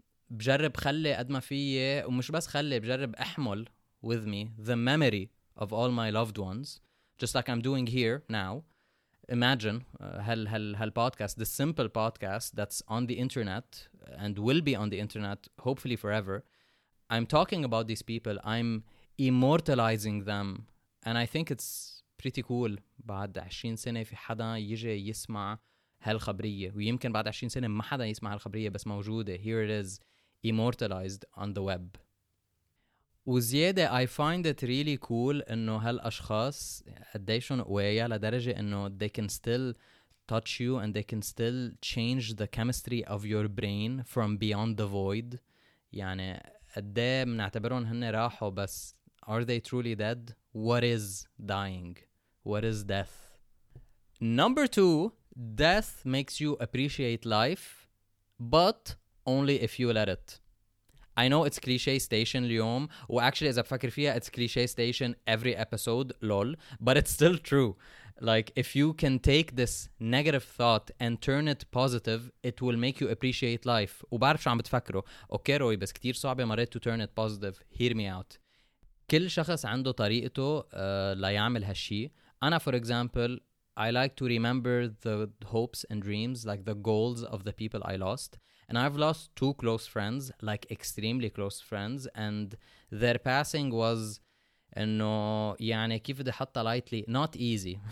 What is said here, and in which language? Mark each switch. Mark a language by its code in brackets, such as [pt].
[ar] بجرب خلي قد ما فيه ومش بس خلي بجرب احمل [en] with me the memory of all my loved ones, just like I'm doing here now. Imagine هل podcast, the simple podcast that's on the internet and will be on the internet hopefully forever. I'm talking about these people, I'm immortalizing them, and I think it's pretty cool. [ar] بعد 20 سنة في حدا يجي يسمع هالخبرية, ويمكن بعد 20 سنة ما حدا يسمع هالخبرية بس موجودة. [en] Here it is, immortalized on the web. وزيادة, I find it really cool [ar] إنه هالأشخاص قديشون قوية لدرجة إنه [en] they can still touch you and they can still change the chemistry of your brain from beyond the void. [ar] يعني قدي منعتبرون هن راحوا, بس [en] are they truly dead? What is dying? What is death? Number two, death makes you appreciate life, but only if you let it. I know it's cliche station اليوم, وactually [ar] إذا بفكر فيها [en] it's cliche station every episode, lol, but it's still true. Like, if you can take this negative thought and turn it positive, it will make you appreciate life. [ar] وبعرف شو عم بتفكره. [en] Okay, Roy, [ar] بس كتير صعب مريت [en] to turn it positive. Hear me out. [ar] كل شخص عنده طريقته ليعمل هالشي. [en] أنا, for example, I like to remember the hopes and dreams, like the goals of the people I lost. And I've lost two close friends, like extremely close friends, and their passing was, [ar] إنه يعني كيف بدي حطها [en] lightly, not easy.